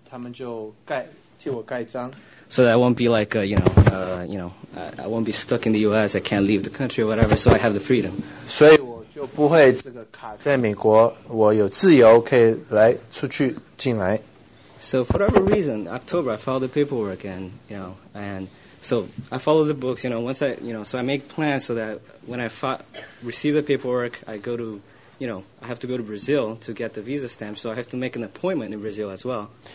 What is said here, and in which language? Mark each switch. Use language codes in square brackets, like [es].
[zh] 所以在那边就要用他们就盖替我盖章. [en] So that I won't be like I won't be stuck in the U.S. I can't leave the country or whatever. So I have the freedom. [zh] 所以我就不会这个卡在美国，我有自由可以来出去进来. [en] So for whatever reason, October I filed the paperwork and. So I follow the books, so I make plans so that when I receive the paperwork, I go to, I have to go to Brazil to get the visa stamp, so I have to make an appointment in Brazil as well.